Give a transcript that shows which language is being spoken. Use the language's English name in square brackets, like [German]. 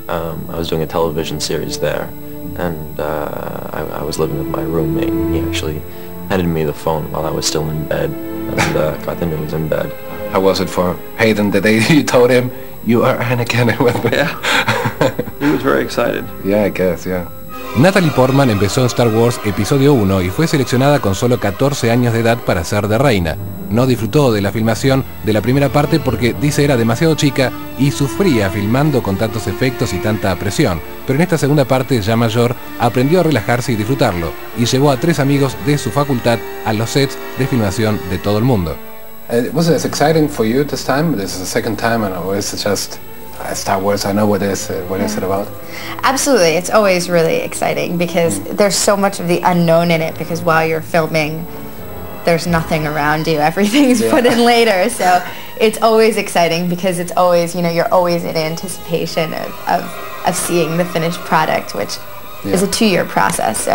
[English] I was doing a television series there, and I was living with my roommate. And he actually handed me the phone while I was still in bed, and got the news in bed. How was it for Hayden the day you told him you are Anakin? Yeah, he was very excited. Yeah, I guess, yeah. [Spanish] Natalie Portman empezó en Star Wars Episodio 1 y fue seleccionada con solo 14 años de edad para ser de Reina. No disfrutó de la filmación de la primera parte porque dice era demasiado chica y sufría filmando con tantos efectos y tanta presión. Pero en esta segunda parte, ya mayor, aprendió a relajarse y disfrutarlo y llevó a tres amigos de su facultad a los sets de filmación de todo el mundo. [English] Was it as exciting for you this time? This is the second time, and always it's just Star Wars. I know what it is. What is it about? Absolutely, it's always really exciting because there's so much of the unknown in it. Because while you're filming, there's nothing around you. Everything's put in later, so it's always exciting because it's always, you know, you're always in anticipation of seeing the finished product, which is a 2-year process.